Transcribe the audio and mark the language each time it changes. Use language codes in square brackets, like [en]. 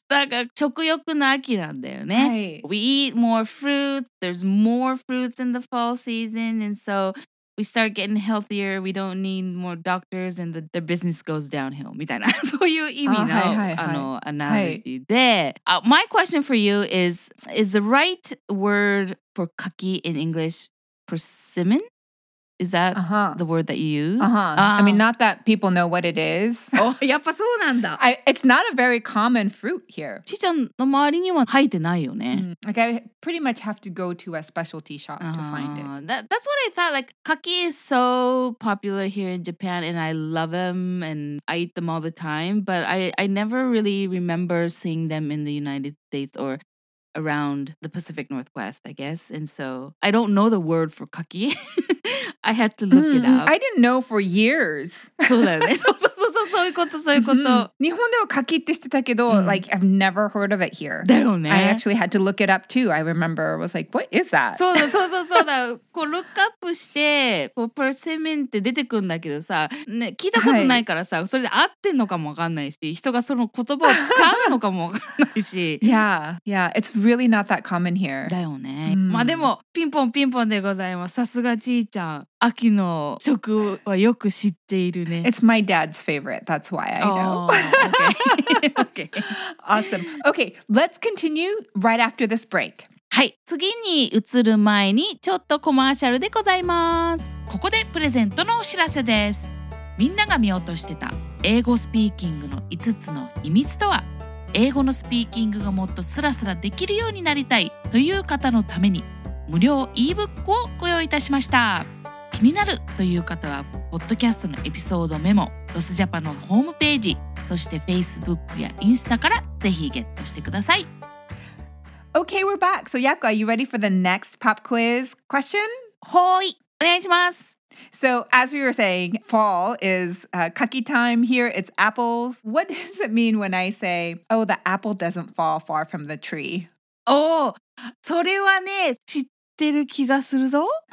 [ja] だから食欲の秋なんだよね。はい、 [en] we eat more fruits. There's more fruits in the fall season. And so we start getting healthier. We don't need more doctors. And the business goes downhill. [ja] みたいな。そういう意味の、アナロジーで。はい、 [en] my question for you is the right word...for kaki in English, persimmon? Is that the word that you use? I mean, not that people know what it is. Oh, [ja] やっぱそうなんだ。 [en] It's not a very common fruit here. [ja] ちーちゃんの周りには生えてないよね。 [en] Like, I pretty much have to go to a specialty shop to find it. That's what I thought. Like, kaki is so popular here in Japan, and I love them, and I eat them all the time. But I never really remember seeing them in the United States or... around the Pacific Northwest, I guess. And so, I don't know the word for kaki. I had to look it up. I didn't know for years. [ja] そうだよね。そういうこと、そういうこと。日本ではかきって知ってたけど、 [en] like, I've never heard of it here. [ja] だよね。 [en] I actually had to look it up too. I remember, I was like, what is that? [ja] そうだ、そうだ。こう、ルックアップして、こう、パーセメンって出てくるんだけどさ、ね、聞いたことないからさ、それで合ってんのかもわかんないし、人がその言葉を使うのかもわかんないし。 [en] Yeah, yeah, it's really not that common here. [ja] だよね。まあでも、ピンポンピンポンでございます。さすがちーちゃん。秋の食はよく知っているね。 [en] It's my dad's favorite. That's why I know. Okay. Awesome. Okay, let's continue right after this break. [ja] はい、次に移る前にちょっとコマーシャルでございます。ここでプレゼントのお知らせです。みんなが見落としてた英語スピーキングの5つの秘密とは、英語のスピーキングがもっとスラスラできるようになりたいという方のために無料 e-book をご用意いたしました。気になるという方はポッドキャストのエピソードメモ、ロスジャパのホームページ、そして Facebook やインスタからぜひゲットしてください。 [en] Okay, we're back. So Yaku, are you ready for the next pop quiz question? [ja] はい、お願いします。 [en] So as we were saying, fall is kaki time here, it's apples. What does it mean when I say, oh, the apple doesn't fall far from the tree? Oh, [ja] それはね、知ってる気がするぞ。